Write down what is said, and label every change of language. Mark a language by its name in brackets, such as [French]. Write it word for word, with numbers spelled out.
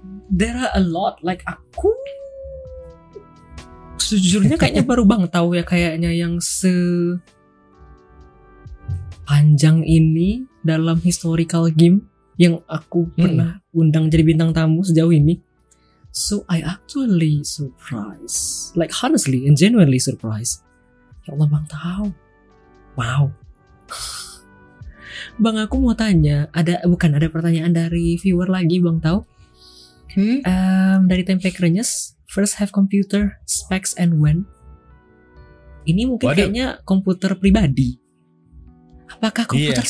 [English] There are a lot. [Indonesian] Like aku sejujurnya kayaknya baru bang tahu ya, kayaknya yang sepanjang ini dalam historical game yang aku hmm. pernah undang jadi bintang tamu sejauh ini. [English] So I actually surprised, like honestly and genuinely surprised. [Indonesian] Ya Allah bang tahu. Wow. Bang, aku mau tanya, ada bukan ada pertanyaan dari viewer lagi, Bang Tau. Hmm? Um, dari Tempe Krenyes, [English] first have computer specs and when? [Indonesian] Ini mungkin Waduh. Kayaknya komputer pribadi. Apakah komputer yeah.